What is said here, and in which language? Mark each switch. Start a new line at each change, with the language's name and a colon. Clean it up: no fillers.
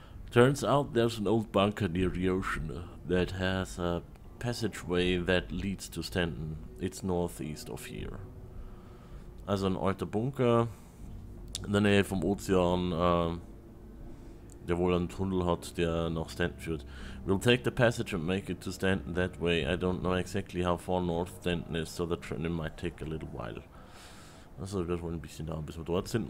English: Turns out there's an old bunker near the ocean that has a passageway that leads to Stanton. It's northeast of here.
German: Also ein alter Bunker in der Nähe vom Ozean, der wohl einen Tunnel hat, der nach Stanton führt.
English: We'll take the passage and make it to Stanton that way. I don't know exactly how far north Stanton is, so the journey might take a little while.
German: Also wir wollen ein bisschen dauern, bis wir dort sind.